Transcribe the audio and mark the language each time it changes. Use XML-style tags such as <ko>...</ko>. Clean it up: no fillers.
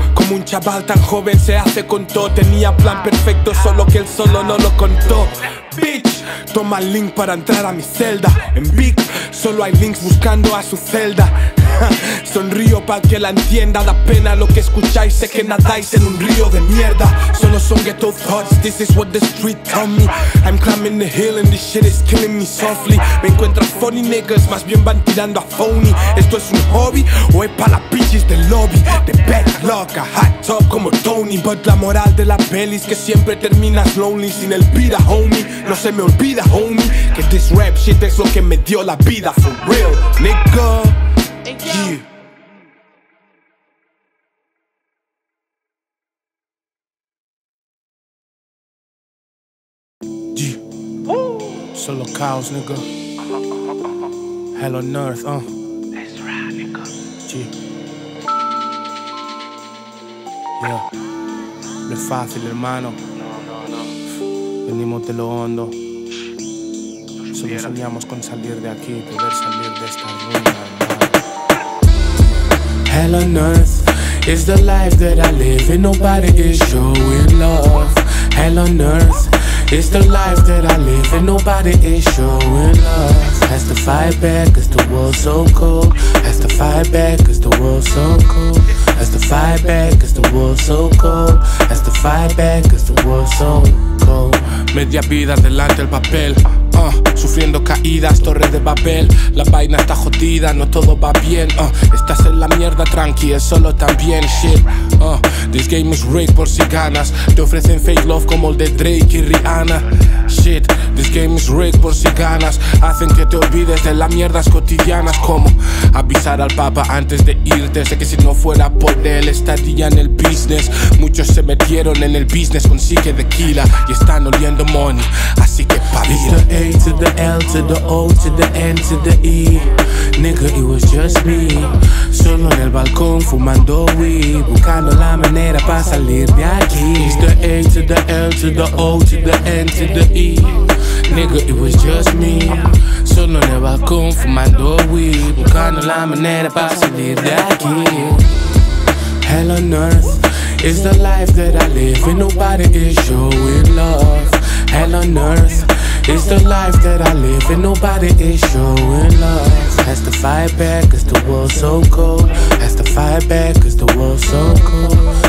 <es>Como un chaval tan joven se hace con todo. Tenía plan perfecto, solo que él solo no lo contó. Bitch, toma el link para entrar a mi celda. En Big, solo hay links buscando a su celda. Sonrío pa' que la entienda. Da pena lo que escucháis, sé que nadáis en un río de mierda.</es> <en>Solo son ghetto thoughts, this is what the street tell me. I'm climbing the hill and this shit is killing me softly.</en> <es>Me encuentro funny niggas, más bien van tirando a phony. ¿Esto es un hobby o es pa' las bitches del lobby? The bad luck, a hot top como Tony. But la moral de la peli es que siempre terminas lonely. Sin el pida, homie, no se me olvida, homie, que this rap shit es lo que me dio la vida.</es> <en>For real, nigga. Yeah. Woo. Solo K.Os, nigga. Hell on earth, huh? That's right, nigga.</en> <es>Yeah. Yeah. No es fácil, hermano. No. Venimos de lo hondo. Solo soñamos con salir de aquí y poder salir de esta ruina.</es> <en>Hell on earth is the life that I live, and nobody is showing love. Hell on earth is the life that I live, and nobody is showing love. Has to fight back, cause the world's so cold. Has to fight back, cause the world's so cold. Has to fight back, cause the world's so cold. Has to fight back, cause the world's so cold.</en> <es>Media vida delante el papel. Sufriendo caídas, torre de Babel. La vaina está jodida, no todo va bien. Estás en la mierda, tranqui, es solo también shit. This game is rigged por si ganas. Te ofrecen fake love como el de Drake y Rihanna. Shit, this game is rigged por si ganas. Hacen que te olvides de las mierdas cotidianas. Como avisar al papa antes de irte. Sé que si no fuera por él estaría en el business. Muchos se metieron en el business con psique de Kila y están oliendo money, así que pavila.</es> <en>A to the L to the O to the N to the E. Nigga, it was just me.</en> <es>Solo en el balcón fumando weed, buscando la manera pa' salir de aquí.</es> <en>It's the A to the L to the O to the N to the E. Nigga, it was just me.</en> <es>Solo en el balcón fumando weed, buscando la manera pa' salir de aquí.</es> <en>Hell on earth is the life that I live, and nobody is showing love. Hell on earth, it's the life that I live, and nobody is showing love. Has to fight back, cause the world's so cold. Has to fight back, cause the world's so cold.</en>